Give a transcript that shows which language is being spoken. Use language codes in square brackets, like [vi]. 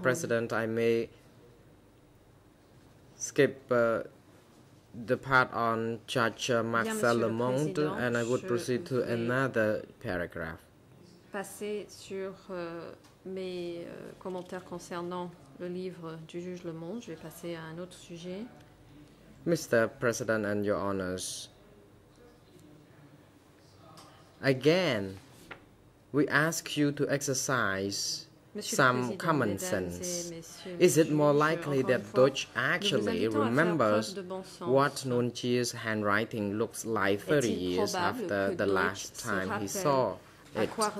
[en] President, I may skip the part on Judge Marcel Lemonde, and I would proceed to another paragraph. [fr] Passer sur mes commentaires concernant le livre du juge Lemonde. Je vais passer à un autre sujet. [en] Mr. President and your honors, again, we ask you to exercise some common sense. Is it more likely that Deutsch actually remembers what Nguyen Chi's handwriting looks like 30 years after the last time he saw it?